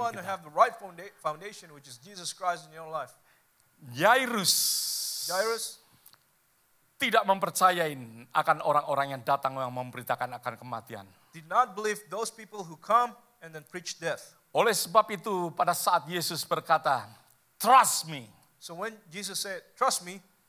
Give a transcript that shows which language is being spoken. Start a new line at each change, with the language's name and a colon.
English: You want to have the right foundation, which is Jesus Christ in your life.
Indonesian: Jairus tidak mempercayain akan orang-orang yang datang yang memberitakan akan kematian.
English: Did not believe those people who come and then preach death.
Indonesian: Oleh sebab itu, pada saat Yesus berkata,
English: "Trust me." So when Jesus said, "Trust me,"